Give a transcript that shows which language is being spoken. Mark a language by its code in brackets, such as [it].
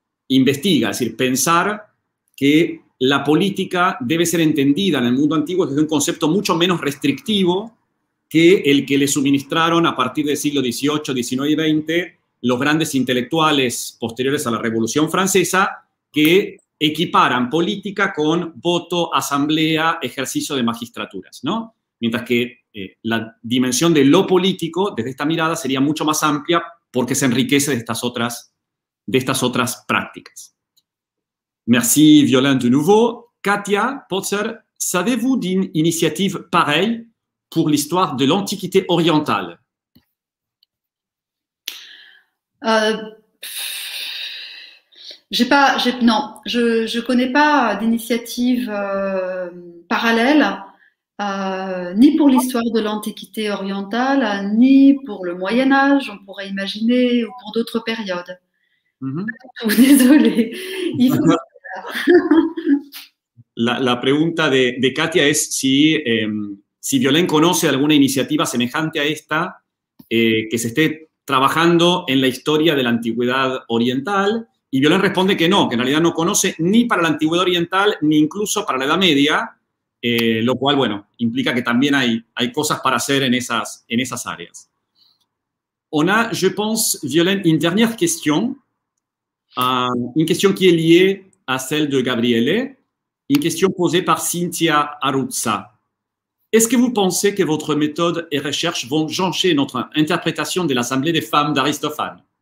[es] investiga, es decir, pensar que la política debe ser entendida en el mundo antiguo desde un concepto mucho menos restrictivo que el que le suministraron a partir del siglo XVIII, XIX y XX los grandes intelectuales posteriores a la Revolución Francesa, que equiparan política con voto, asamblea, ejercicio de magistraturas, ¿no? Mientras que la dimensión de lo político, desde esta mirada, sería mucho más amplia porque se enriquece de estas otras prácticas. [fr] Merci, Violaine, de nouveau. Katia Potzer, savez-vous d'une initiative pareille pour l'histoire de l'Antiquité orientale? Je connais pas d'initiative parallèle. Ni pour l'histoire de l'Antiquité orientale, ni pour le Moyen-Âge, on pourrait imaginer, ou pour d'autres périodes. Mm-hmm. Désolée. [es] La pregunta de Katia es si Violaine conoce alguna iniciativa semejante a esta que se esté trabajando en la historia de la Antigüedad Oriental. Y Violaine responde que no, que en realidad no conoce ni para la Antigüedad Oriental, ni incluso para la Edad Media. Lo cual, bueno, implica que también hay cosas para hacer en esas áreas. [fr] On a, je pense, Violaine, une dernière question, une question qui est liée à celle de Gabriele, une question posée par Cynthia Aruzza. Est-ce que vous pensez que votre méthode et recherche vont jancher notre interprétation de l'Assemblée des femmes d'Aristophane?